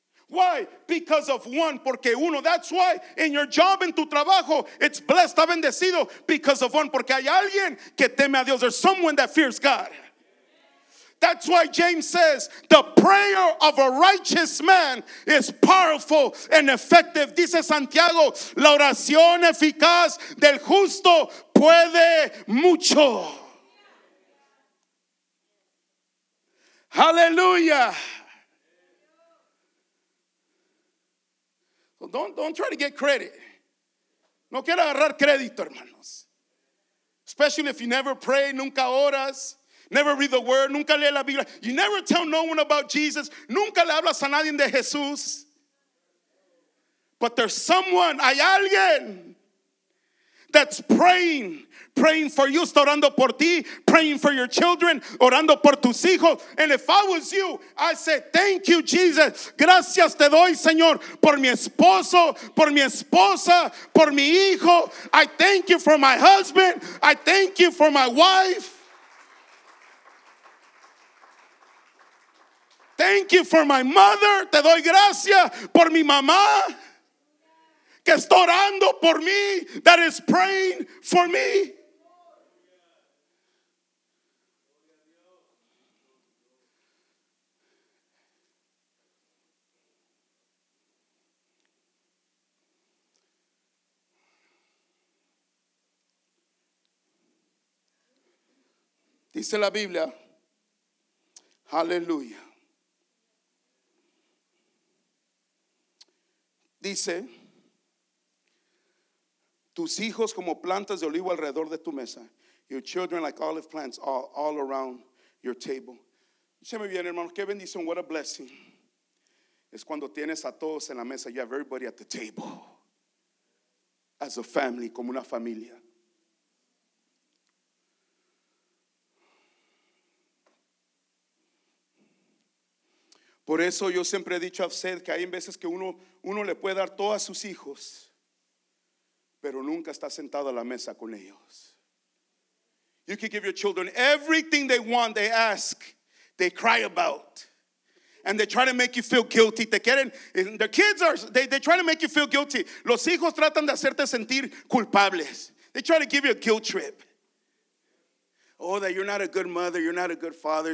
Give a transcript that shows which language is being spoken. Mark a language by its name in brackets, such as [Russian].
[English] Why? Because of one, [Spanish] porque uno. [English] That's why in your job, [Spanish] en tu trabajo, [English] it's blessed, [Spanish] está bendecido, [English] because of one, [Spanish] porque hay alguien que teme a Dios. [English] There's someone that fears God. That's why James says, the prayer of a righteous man is powerful and effective. [Spanish] Dice Santiago, la oración eficaz del justo puede mucho. [English] Hallelujah. Well, don't try to get credit. [Spanish] No quiero agarrar crédito, hermanos. [English] Especially if you never pray, [Spanish] nunca oras. [English] Never read the word. [Spanish] Nunca lee la Biblia. [English] You never tell no one about Jesus. [Spanish] Nunca le hablas a nadie de Jesús. [English] But there's someone, [Spanish] hay alguien, [English] that's praying. Praying for you, [Spanish] está orando por ti. [English] Praying for your children, [Spanish] orando por tus hijos. [English] And if I was you, I'd say, thank you, Jesus. [Spanish] Gracias te doy, Señor, por mi esposo, por mi esposa, por mi hijo. [English] I thank you for my husband. I thank you for my wife. Thank you for my mother. [Spanish] Te doy gracias por mi mamá. Que está orando por mí. [English] That is praying for me. [Spanish] Dice la Biblia, aleluya. Dice, tus hijos como plantas de olivo alrededor de tu mesa. [English] Your children like olive plants all around your table. [Spanish] Dígame bien, hermano, qué bendición, [English] what a blessing. [Spanish] Es cuando tienes a todos en la mesa, [English] you have everybody at the table. As a family, [Spanish] como una familia. Por eso yo siempre he dicho a usted que hay veces que uno le puede dar todo a sus hijos, pero nunca está sentado a la mesa con ellos. [English] You can give your children everything they want, they ask, they cry about, and they try to make you feel guilty. [Spanish] Te quieren, [English] the kids are, they try to make you feel guilty. [Spanish] Los hijos tratan de hacerte sentir culpables. [English] They try to give you a guilt trip. Oh, that you're not a good mother, you're not a good father.